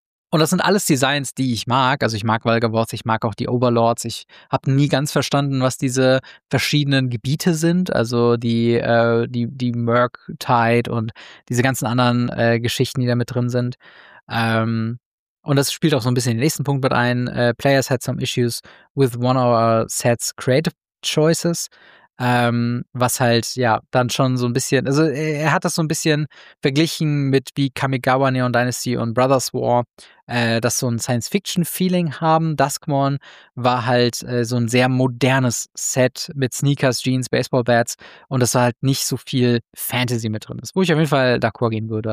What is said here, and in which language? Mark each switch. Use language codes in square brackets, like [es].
[de] Und das sind alles Designs, die ich mag. Also ich mag Valgavoss, ich mag auch die Overlords. Ich habe nie ganz verstanden, was diese verschiedenen Gebiete sind. Also die Murktide und diese ganzen anderen Geschichten, die da mit drin sind. Und das spielt auch so ein bisschen den nächsten Punkt mit ein. [en] Players had some issues with one of our set's creative choices. [de] Dann schon so ein bisschen, also er hat das so ein bisschen verglichen mit wie Kamigawa, Neon Dynasty und Brothers War, dass so ein Science-Fiction-Feeling haben. Duskmorn war halt so ein sehr modernes Set mit Sneakers, Jeans, Baseball-Bats und das war halt nicht so viel Fantasy mit drin ist, wo ich auf jeden Fall d'accord gehen würde.